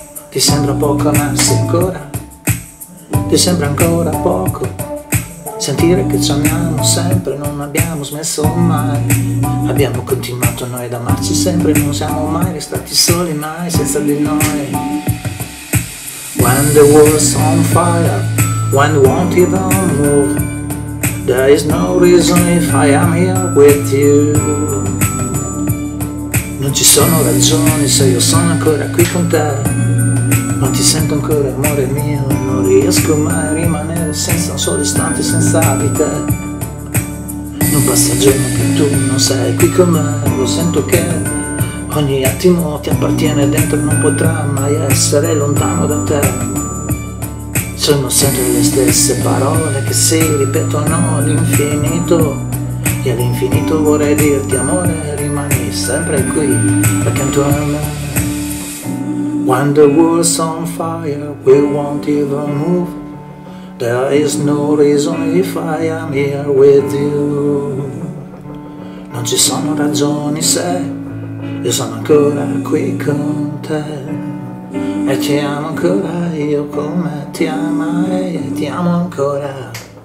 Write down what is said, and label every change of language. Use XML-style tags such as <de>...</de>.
<it>Ti sembra poco amarsi ancora? Ti sembra ancora poco? Sentire che ci amiamo sempre, non abbiamo smesso mai. Abbiamo continuato noi ad amarci sempre, non siamo mai restati soli mai senza di noi.</it> <en>When the world's on fire, when we won't even move, there is no reason if I am here with you.</en> <it>Non ci sono ragioni se io sono ancora qui con te. Non ti sento ancora amore mio, non riesco mai a rimanere senza un solo istante senza di te. Non passa il giorno che tu non sei qui con me. Lo sento che ogni attimo ti appartiene dentro, non potrà mai essere lontano da te. Sono sempre le stesse parole che si ripetono all'infinito, e all'infinito vorrei dirti amore, rimani sempre qui accanto a me.</it> <en>When the world's on fire, we won't even move, there is no reason if I am here with you.</en> <it>Non ci sono ragioni se io sono ancora qui con te. E ti amo ancora io come ti amai, e ti amo ancora.</it>